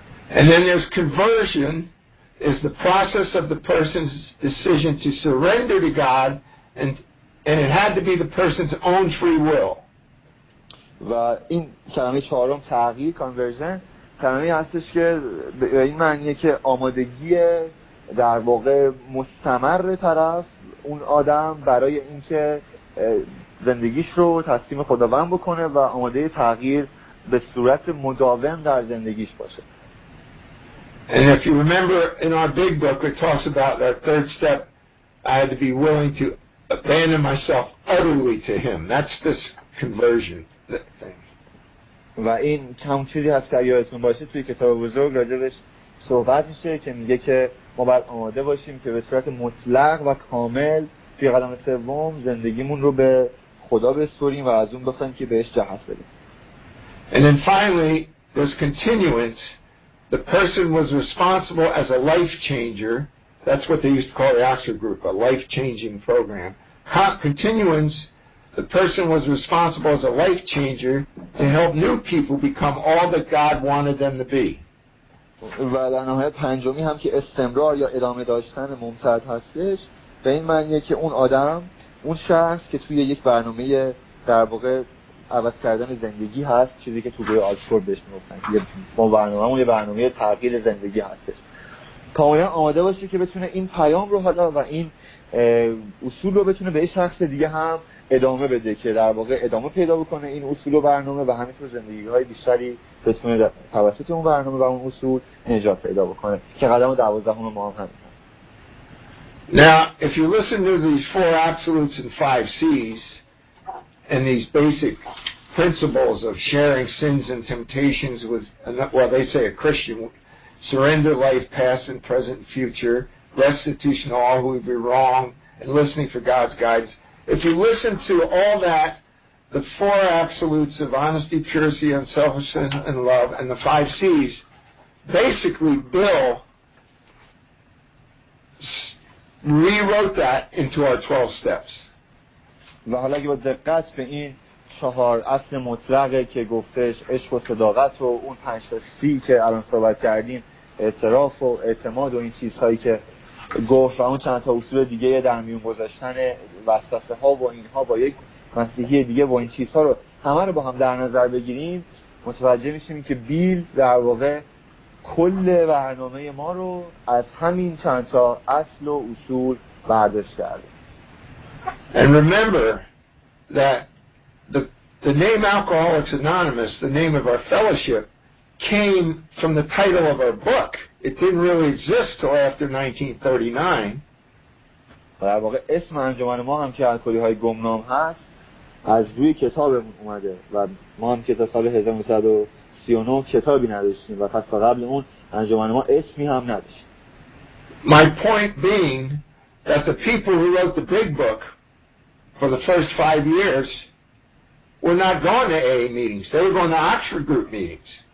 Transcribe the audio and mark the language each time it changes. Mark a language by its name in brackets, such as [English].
[English] And then there's conversion is the process of the person's decision to surrender to God and it had to be the person's own free will. [Persian] و این کلمه چهارم تغییر conversion کلمه‌ای هستش که به این معنیه که آمادگی در واقع مستمر طرف اون آدم برای اینکه زندگیش رو تسلیم خداوند بکنه و آماده تغییر به صورت مداوم در زندگیش باشه. [English] And if you remember in our big book it talks about that third step, I had to be willing to abandon myself utterly to him. That's this conversion thing. [Persian] و این کم چیزی هست که یادتون باشه توی کتاب بزرگ راجبش صحبت میشه که میگه که ما باید آماده باشیم که به صورت مطلق و کامل توی قدم سوم زندگیمون رو به خدا بسپریم و از اون بخوایم که بهش جهت بدیم. [English] And then finally, there's continuance. The person was responsible as a life changer. That's what they used to call the Oxford Group, a life-changing program. Continuance, the person was responsible as a life changer to help new people become all that God wanted them to be. [Persian] و در نهایت پنجمی هم که استمرار یا ادامه داشتن ممتد هستش به این معنیه که اون آدم اون شخص که توی یک برنامه در واقع عوض کردن زندگی هست چیزی که تو روی آلسکور بهش میگفتن که ما برنامه اون یه برنامه تغییر زندگی هستش کاملا آماده باشه که بتونه این پیام رو حالا و این اصول رو بتونه به این شخص دیگه هم ادامه بده که در واقع ادامه پیدا بکنه این اصول و برنامه و همینطور زندگی های بیشتری بتونه توسط اون برنامه و اون اصول نجات پیدا بکنه که قدم 12 ما هم همین. [English] Now if you listen to these four absolutes and five C's and these basic principles of sharing sins and temptations with well they say a Christian surrender life past and present and future restitution to all who would be wrong and listening for God's guides. If you listen to all that, the four absolutes of honesty, purity, unselfishness, and love, and the five C's, basically Bill rewrote that into our 12 steps. [Persian] و حالا اگه با دقت به این چهار اصل مطلقه که گفتش عشق و صداقت و اون پنج تا سی که الان صحبت کردیم اعتراف و اعتماد و این چیزهایی که گفت و اون چند تا اصول دیگه در میون گذاشتن وسوسه ها و اینها با یک مسیحی دیگه و این چیزها رو همه رو با هم در نظر بگیریم متوجه میشیم که بیل در واقع کل برنامه ما رو از همین چند تا اصل و اصول برداشت کرده. [English] And remember that the name Alcoholics Anonymous, the name of our fellowship, came from the title of our book. It didn't really exist till after 1939. [Persian] در واقع اسم انجمن ما هم که الکلی‌های گمنام هست از روی کتابمون اومده و ما هم که تا سال 1939 کتابی نداشتیم و پس قبل اون انجمن ما اسمی هم نداشت. [English] My point being that the people who wrote the big book for the first 5 years were not going to AA meetings. They were going to Oxford group meetings.